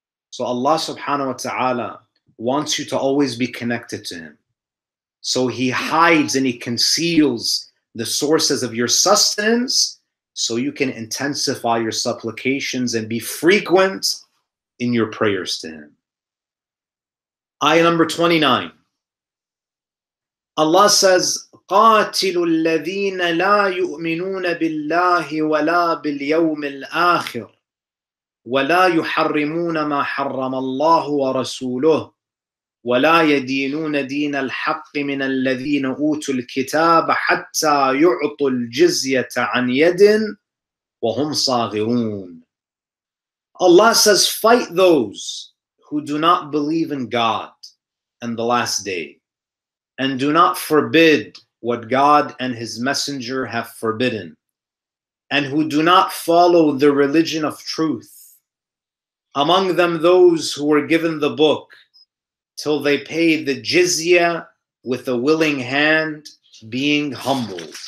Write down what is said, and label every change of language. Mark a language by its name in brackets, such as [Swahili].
[English] So Allah subhanahu wa ta'ala wants you to always be connected to Him. So He hides and He conceals the sources of your sustenance so you can intensify your supplications and be frequent in your prayers to Him. Ayah number 29. Allah says, [Arabic] قَاتِلُ الَّذِينَ لَا يُؤْمِنُونَ بِاللَّهِ وَلَا بِالْيَوْمِ الْآخِرِ وَلَا يُحَرِّمُونَ مَا حَرَّمَ اللَّهُ وَرَسُولُهُ وَلَا يَدِينُونَ دِينَ الْحَقِّ مِنَ الَّذِينَ أُوتُوا الْكِتَابَ حَتَّى يُعْطُوا الْجِزْيَةَ عَنْ يَدٍ وَهُمْ صَاغِرُونَ [English] Allah says, fight those who do not believe in God and the last day. And do not forbid what God and His Messenger have forbidden, and who do not follow the religion of truth. Among them those who were given the book, till they pay the jizya with a willing hand, being humble.